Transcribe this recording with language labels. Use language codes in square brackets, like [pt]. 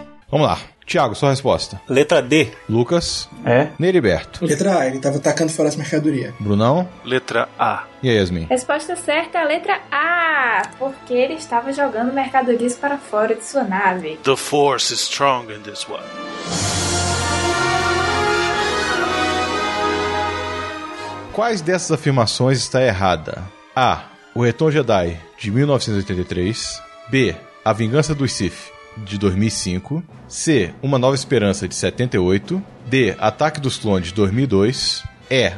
[pt] Vamos lá. Thiago, sua resposta. Letra D. Lucas. É. Neriberto. Letra A, ele tava tacando fora as mercadorias. Brunão. Letra A. E aí, Yasmin? Resposta certa é a letra A, porque ele estava jogando mercadorias para fora de sua nave. [en] The Force is strong in this one. [pt] Quais dessas afirmações está errada? A. O Retorno Jedi, de 1983. B. A Vingança dos Sith, de 2005. C. Uma Nova Esperança, de 78. D. Ataque dos Clones, de 2002. E.